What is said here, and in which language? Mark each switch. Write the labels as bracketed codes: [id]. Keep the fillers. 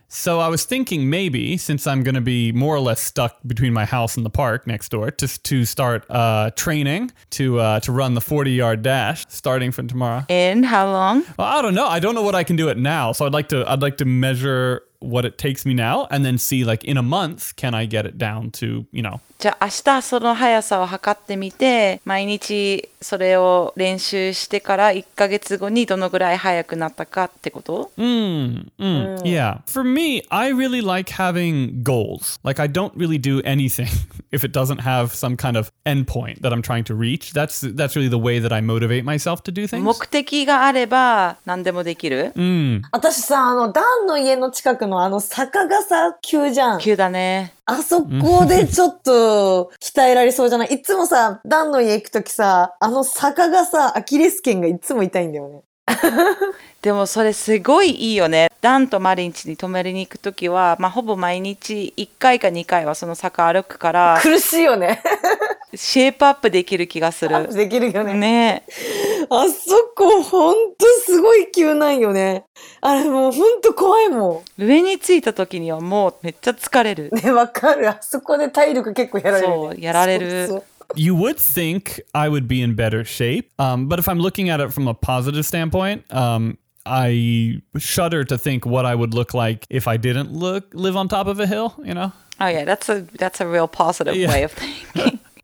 [en] so I was thinking maybe, since I'm gonna be more or less stuck between my house and the park next door, just to, to, start uh, training to uh, to run the 40 yard dash starting from tomorrow. In how long? Well, I don't know. I don't know what I can do it now. So I'd like to I'd like to measure what it takes me now and then see like in a month can I get it down to you know [ja] じゃあ明日その速さを測ってみて毎日それを練習してから1ヶ月後にどのぐらい速くなったかってことうん、mm, mm, mm. [en] Yeah For me I really like having goals like I don't really do anything if it doesn't have some kind of endpoint that I'm trying to reach that's that's really the way that I motivate myself to do things [ja] 目的があれば何でもできる、mm. 私さあのダンの家の近くのあの坂がさ、急じゃん。急だね。あそこでちょっと鍛えられそうじゃないいつもさ、暖 の家行く時さ、あの坂がさ、アキレス腱がいつも痛いんだよね。でもそれすごいいいよね。ダンとマリンチに泊まりに行く時は、まあ、ほぼ毎日1回か2回はその坂歩くから。苦しいよね。シェイプアップできる気がする。できるよね。ねあそこ、本当すごい急なんよね。あれもうほん怖いもん。上に着いた時にはもうめっちゃ疲れる。ね、わかる。あそこで体力結構やられる、そう、やられる。 [en] You would think I would be in better shape, um, but if I'm looking at it from a positive standpoint, um, I shudder to think what I would look like if I didn't look live on top of a hill. You know. Oh yeah, that's a real positive way of thinking.